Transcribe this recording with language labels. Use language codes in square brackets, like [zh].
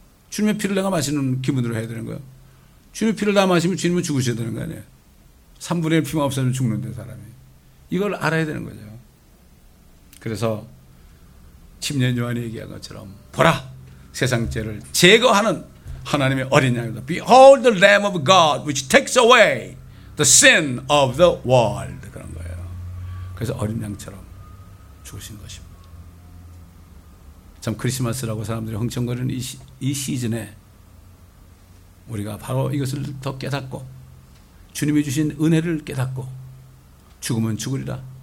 [ko] 주님의 피를 내가 마시는 기분으로 해야 되는 거예요. 주님의 피를 다 마시면 주님은 죽으셔야 되는 거 아니에요. 3분의 1 피만 없으면 죽는데 사람이. 이걸 알아야 되는 거죠. 그래서 침례 요한이 얘기한 것처럼 보라, 세상 죄를 제거하는 하나님의 어린 양이다. [en] Behold the Lamb of God which takes away the sin of the world. [ko] 그런 거예요. 그래서 어린 양처럼 죽으신 것입니다. 참 크리스마스라고 사람들이 흥청거리는 이 시즌에 우리가 바로 이것을 더 깨닫고 주님이 주신 은혜를 깨닫고 죽으면 죽으리라.